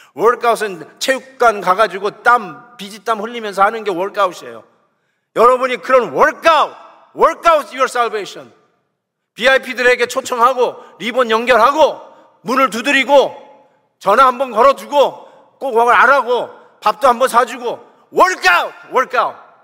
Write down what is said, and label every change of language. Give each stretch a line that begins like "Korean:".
Korean: Work out은 체육관 가가지고 땀, 비지땀 흘리면서 하는 게 work out이에요. 여러분이 그런
English: work out, work out your salvation.
Korean: VIP들에게 초청하고 리본 연결하고 문을 두드리고 전화 한번 걸어두고 꼭 와서 알아고 밥도 한번 사주고
English: work out, work out.